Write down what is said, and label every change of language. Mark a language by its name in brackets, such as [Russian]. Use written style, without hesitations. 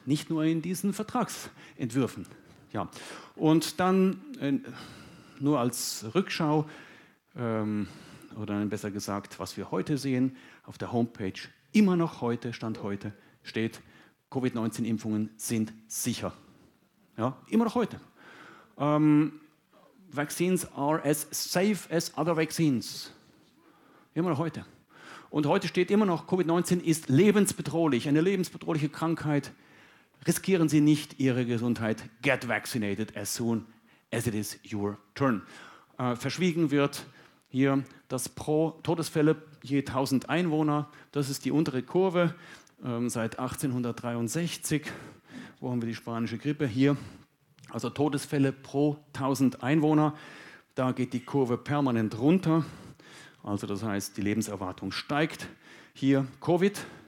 [German] Nicht nur in diesen Vertragsentwürfen. Ja, und dann nur als Rückschau, oder besser gesagt, was wir heute sehen, auf der Homepage, immer noch heute, Stand heute, steht, Covid-19-Impfungen sind sicher. Ja, immer noch heute. [English] Vaccines are as safe as other vaccines. [German] Immer noch heute. Und heute steht immer noch, Covid-19 ist lebensbedrohlich, eine lebensbedrohliche Krankheit. Riskieren Sie nicht Ihre Gesundheit. [English] Get vaccinated as soon as it is your turn. [German] Verschwiegen wird hier das pro Todesfälle je 1000 Einwohner. Das ist die untere Kurve seit 1863. Wo haben wir die spanische Grippe? Hier. Also Todesfälle pro 1000 Einwohner. Da geht die Kurve permanent runter. Also das heißt, die Lebenserwartung steigt. Hier Covid.